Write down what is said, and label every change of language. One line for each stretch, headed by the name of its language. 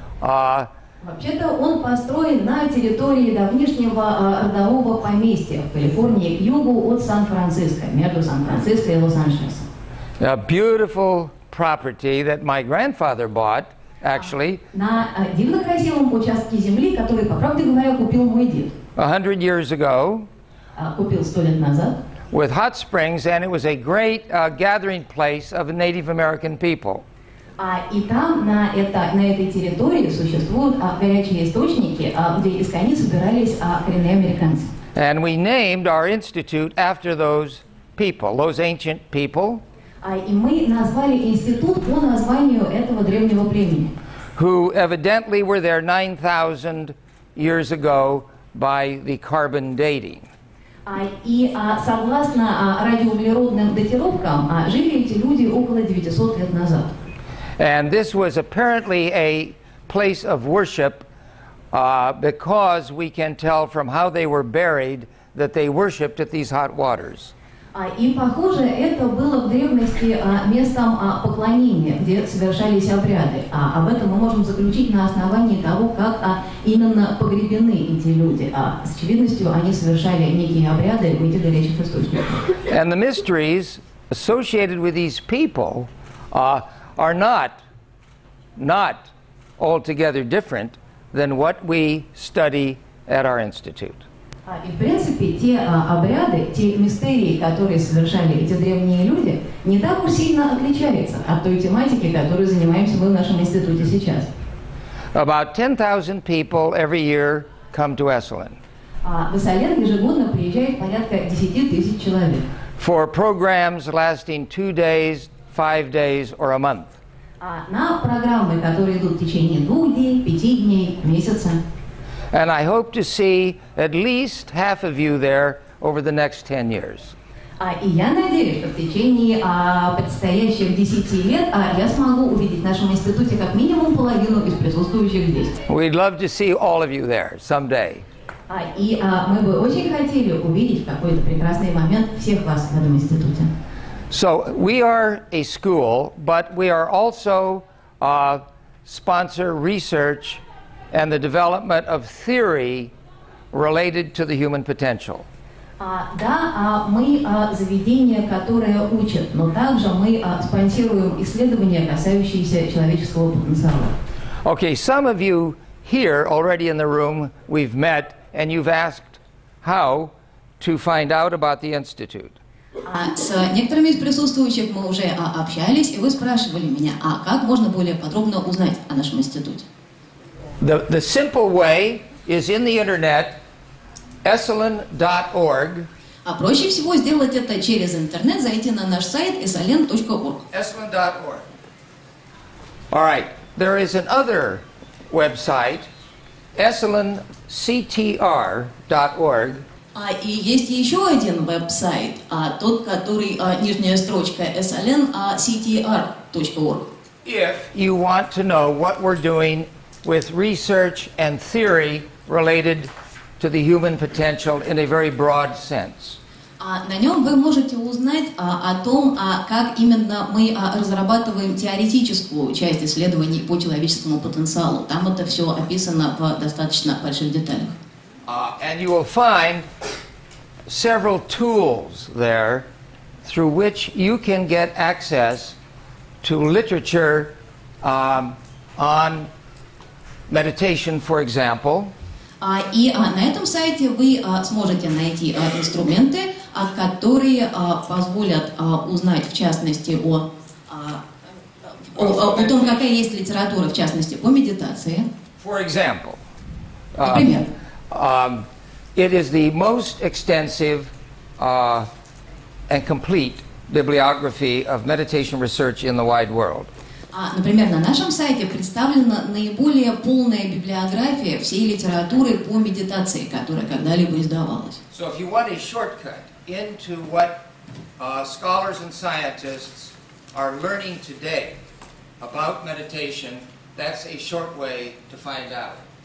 Russian: Вообще-то он построен на территории давнишнего родового поместья в Калифорнии, к югу от Сан-Франциско, между Сан-Франциско и Лос-Анджелес.
English: A beautiful property that my grandfather bought, actually.
Russian: На дивно красивом участке земли, который, по правде говоря, купил мой дед.
English: 100 years ago,
Russian: купил 100 лет назад.
English: With hot springs, and it was a great gathering place of Native American people.
Russian: И там на этой территории существуют горячие источники, где из коней собирались коренные американцы.
English: And we named our institute after those people, those ancient people.
Russian: И мы назвали институт по названию этого древнего племени.
English: Who evidently were there 9,000 years ago by the carbon dating.
Russian: Согласно радиоуглеродным датировкам, жили эти люди около 900 лет назад.
English: And this was apparently a place of worship because we can tell from how they were buried that they worshipped at these hot waters.
Russian: И похоже, это было в древности местом поклонения, где совершались обряды. Об этом мы можем заключить на основании того, как именно погребены эти люди. С очевидностью, они совершали некие обряды в этих горячих источниках.
English: And the mysteries associated with these people are not altogether different than what we study at our institute.
Russian: И в принципе те обряды, те мистерии, которые совершали эти древние люди, не так уж сильно отличаются от той тематики, которой занимаемся мы в нашем институте сейчас.
English: About 10,000 people every year come to Esalen.
Russian: В Эсален ежегодно приезжает порядка 10,000 человек.
English: For programs lasting 2 days, 5 days, or a month.
Russian: На программы, которые идут в течение 2 дней, 5 дней, месяца.
English: And I hope to see at least half of you there over the next 10 years.
Russian: И я надеюсь, что в течение предстоящих 10 лет я смогу увидеть в нашем институте как минимум половину из присутствующих здесь.
English: We'd love to see all of you there someday.
Russian: Мы бы очень хотели увидеть в какой-то прекрасный момент всех вас в этом институте.
English: So we are a school, but we are also sponsor research and the development of theory related to the human potential.
Russian: Заведение, которое учит, но также мы спонсируем исследования, касающиеся человеческого потенциала.
English: Okay, some of you here already in the room we've met and you've asked how to find out about the institute.
Russian: С некоторыми из присутствующих мы уже общались, и вы спрашивали меня, а как можно более подробно узнать о нашем институте?
English: The simple way is in the internet, esalen.org.
Russian: А проще всего сделать это через интернет, зайти на наш сайт esalen.org.
English: Esalen.org. All right, there is another website, esalenctr.org.
Russian: И есть еще один веб-сайт, тот, который нижняя строчка esalenctr.org.
English: If you want to know what we're doing with research and theory related to the human potential in a very broad sense.
Russian: На нем вы можете узнать о том, как именно мы разрабатываем теоретическую часть исследований по человеческому потенциалу. Там это все описано в достаточно больших деталях.
English: And you will find several tools there through which you can get access to literature on meditation, for example.
Russian: На этом сайте вы сможете найти инструменты, которые позволят узнать, в частности, о том, какая есть литература, в частности, по медитации.
English: For example.
Russian: Например.
English: It is the most extensive and complete bibliography of meditation research in the wide world.
Russian: Например, на нашем сайте представлена наиболее полная библиография всей литературы по медитации, которая когда-либо издавалась.
English: So if you want a shortcut into what scholars and scientists are learning today about meditation, that's a short way to find out.